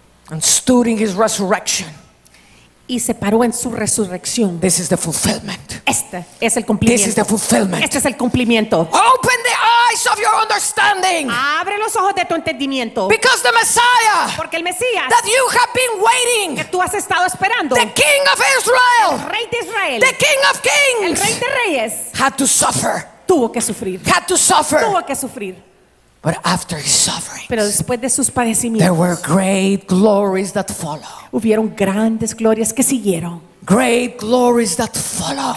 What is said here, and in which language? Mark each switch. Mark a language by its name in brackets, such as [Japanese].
[English] And stood in his resurrection. [Spanish] Y se paró en su resurrección. [English] This is the fulfillment. [Spanish] Este es el cumplimiento. [English] This is the fulfillment. [Spanish] Este es el cumplimiento. [English] Open the eyes of your understanding. [Spanish] Abre los ojos de tu entendimiento. [English] Because the Messiah. [Spanish] Porque el Mesías. [English] That you have been waiting. [Spanish] Que tú has estado esperando. [English] The King of Israel. [Spanish] El Rey de Israel. [English] The King of Kings. [Spanish] El Rey de Reyes. [English] Had to suffer. [Spanish] Tuvo que sufrir. [English] Had to suffer. [Spanish] Tuvo que sufrir. [English] But after his sufferings, [Spanish] pero después de sus padecimientos, [English] there were great glories that followed. [Spanish] Hubieron grandes glorias que siguieron. [English] Great glories that followed.